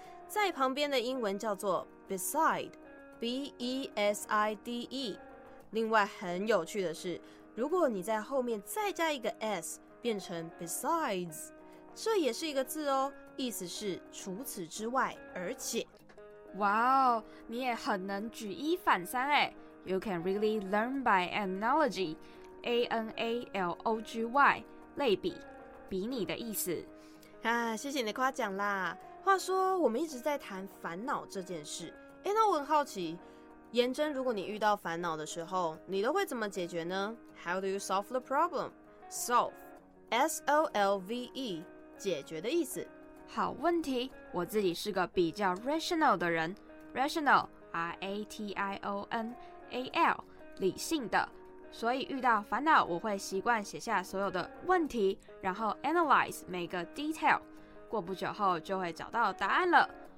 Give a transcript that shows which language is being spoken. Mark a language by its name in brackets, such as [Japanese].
[Chinese] 在旁边的英文叫做 beside， B-E-S-I-D-E。另外很有趣的是，如果你在后面再加一个 s 变成 besides， 这也是一个字哦，意思是除此之外而且。哇哦，你也很能举一反三耶。 [English] You can really learn by analogy， A-N-A-L-O-G-Y [Chinese] 类比，比拟的意思。谢谢你的夸奖啦。话说我们一直在谈烦恼这件事，那我很好奇，严真，如果你遇到烦恼的时候你都会怎么解决呢？ [English] How do you solve the problem？ Solve， S-O-L-V-E， [Chinese] 解决的意思。好问题，我自己是个比较 rational 的人， rational， R-A-T-I-O-N-A-L， 理性的，所以遇到烦恼我会习惯写下所有的问题，然后 analyze 每个 detail， 过不久后就会找到答案了。